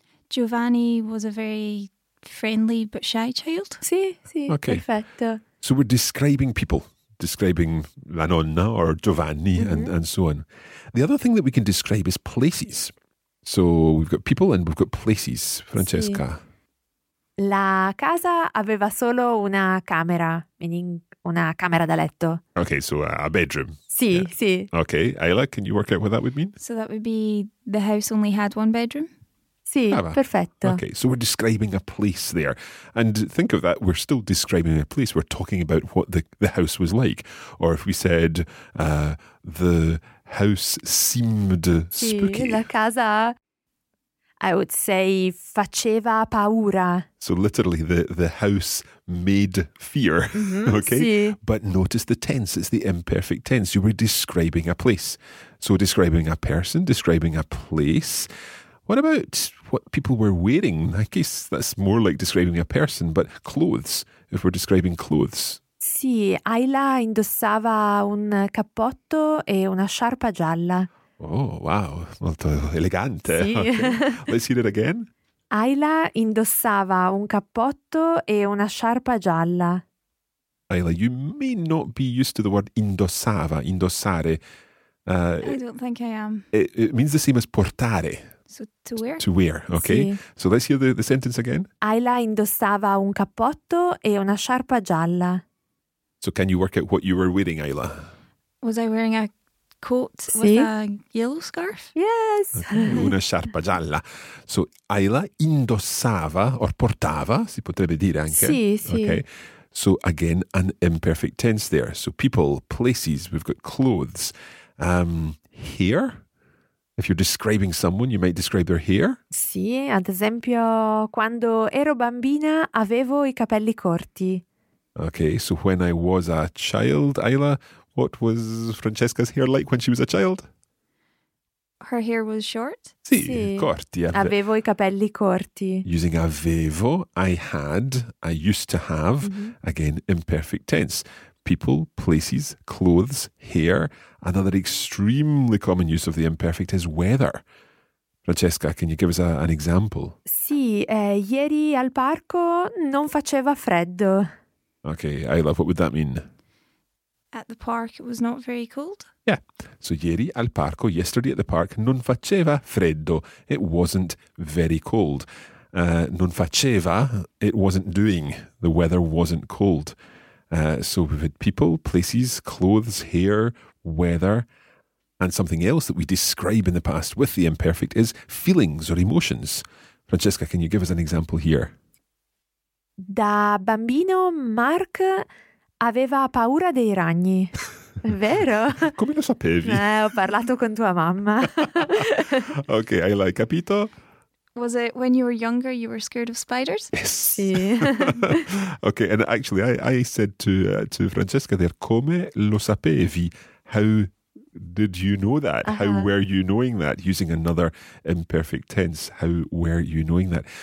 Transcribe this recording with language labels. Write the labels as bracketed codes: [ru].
[en] Giovanni was a very friendly but shy child. [it] Sì, sì, okay. Perfetto. [en] So we're describing people, describing la nonna or Giovanni, mm-hmm. and so on. The other thing that we can describe is places. So we've got people and we've got places. [it] Francesca. Sì. La casa aveva solo una camera, meaning una camera da letto. [en] Okay, so a bedroom. [it] Sì, yeah. Sì. [en] Okay, Ayla, can you work out what that would mean? So that would be the house only had one bedroom. [it] Sì, ah, perfetto. [en] Okay, so we're describing a place there. And think of that, we're still describing a place. We're talking about what the house was like. Or if we said, the house seemed spooky. [it] Sì, la casa, [en] I would say, [it] faceva paura. [en] So literally, the house made fear, mm-hmm, okay? [it] Sì. [en] But notice the tense, it's the imperfect tense. You were describing a place. So describing a person, describing a place. What about what people were wearing? I guess that's more like describing a person, but clothes, if we're describing clothes. [it] Sì, Ayla indossava un cappotto e una sciarpa gialla. Oh, wow, molto elegante. Sì. Okay. [en] Let's hear it again. [it] Ayla indossava un cappotto e una sciarpa gialla. [en] Ayla, you may not be used to the word indossava, indossare. I don't think I am. It means the same as portare. So to wear. To wear, okay. [it] Sì. [en] So let's hear the sentence again. [it] Ayla indossava un cappotto e una sciarpa gialla. [en] So can you work out what you were wearing, Ayla? Was I wearing a coat, [it] sì, [en] with a yellow scarf? Yes. [it] Okay. Una sciarpa gialla. So Ayla indossava, or portava, si potrebbe dire anche. Sì, sì. [en] Okay. So again, an imperfect tense there. So people, places, we've got clothes. Hair. If you're describing someone, you might describe their hair. [it] Sì, ad esempio, quando ero bambina avevo i capelli corti. [en] Okay, so when I was a child, Ayla, what was Francesca's hair like when she was a child? Her hair was short. [it] Sì, sì. Corti. Avevo i capelli corti. [en] Using avevo, I had, I used to have, mm-hmm. Again, imperfect tense. People, places, clothes, hair. Another extremely common use of the imperfect is weather. Francesca, can you give us an example? [it] Sì, ieri al parco non faceva freddo. [en] Okay, Ayla, what would that mean? At the park, it was not very cold. [it] Yeah. So, ieri al parco, [en] yesterday at the park, [it] non faceva freddo. [en] It wasn't very cold. Non faceva, it wasn't doing. The weather wasn't cold. So we've had people, places, clothes, hair, weather, and something else that we describe in the past with the imperfect is feelings or emotions. Francesca, can you give us an example here? [it] Da bambino Mark aveva paura dei ragni. Vero? Come lo sapevi? Ho parlato con tua mamma. Ok, hai capito? [en] Was it when you were younger you were scared of spiders? Yes. [it] Sì. [en] Okay, and actually I said to Francesca there, [it] come lo sapevi? [en] How did you know that? Uh-huh. How were you knowing that? Using another imperfect tense, how were you knowing that?